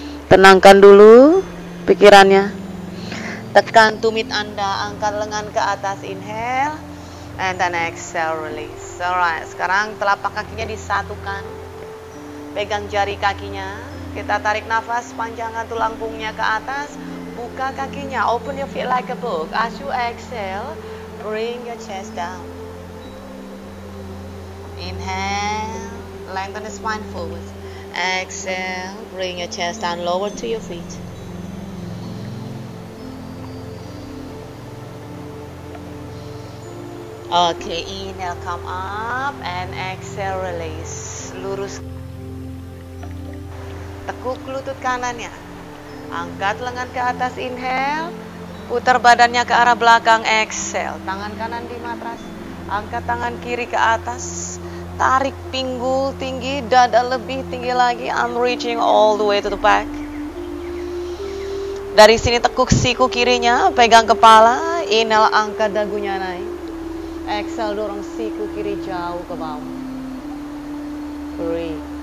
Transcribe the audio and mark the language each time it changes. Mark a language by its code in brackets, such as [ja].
[id] Tenangkan dulu pikirannya. Tekan tumit Anda, angkat lengan ke atas, inhale. [en] And then exhale, release. Alright, [id] sekarang telapak kakinya disatukan. Pegang jari kakinya. Kita tarik nafas, panjangkan tulang punggungnya ke atas. Buka kakinya, [en] open your feet like a book. As you exhale, bring your chest down. Inhale, lengthen the spine forward. Exhale, bring your chest down, lower to your feet. Okay, inhale, come up. And exhale, release. Lurus. [id] Tekuk lutut kanannya. Angkat lengan ke atas, inhale. Putar badannya ke arah belakang, exhale. Tangan kanan di matras. Angkat tangan kiri ke atas. Tarik pinggul tinggi, dada lebih tinggi lagi. [en] I'm reaching all the way to the back. [id] Dari sini tekuk siku kirinya, pegang kepala. Inhale, angkat dagunya naik. Exhale, dorong siku kiri jauh ke bawah. Breathe.